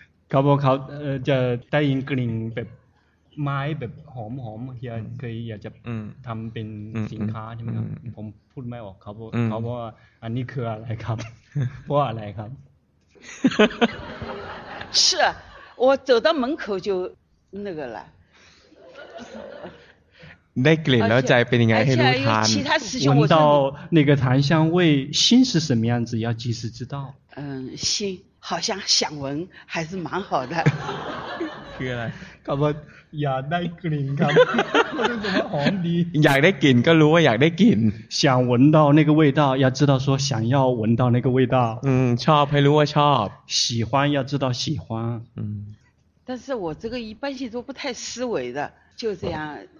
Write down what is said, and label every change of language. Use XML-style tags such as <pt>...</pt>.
<th>เขาบอกเขาจะได้ยินกลิ่นแบบไม้แบบหอมๆเคยอยากจะทำเป็นสินค้าใช่ไหมครับผมพูดไม่ออกเขาบอกว่าอันนี้คืออะไรครับเพราะอะไรครับ</th> <zh>是我走到门口就那个了</zh> <th>ได้กลิ่นแล้วใจเป็นยังไงให้รู้ทัน</th> <zh>闻到那个檀香味心是什么样子要及时知道嗯心好像想闻还是蛮好的。</zh> <th>คืออะไร เขาบอกอยากได้กลิ่นครับ</th> <zh>怎么</zh> <th>หอมดี อยากได้กลิ่นก็รู้ว่าอยากได้กลิ่น</th> <zh>想闻到那个味道要知道说想要闻到那个味道</zh> <th>ชอบให้รู้ว่าชอบ</th> <zh>喜欢要知道喜欢但是我这个一般性都不太思维的就这样</zh>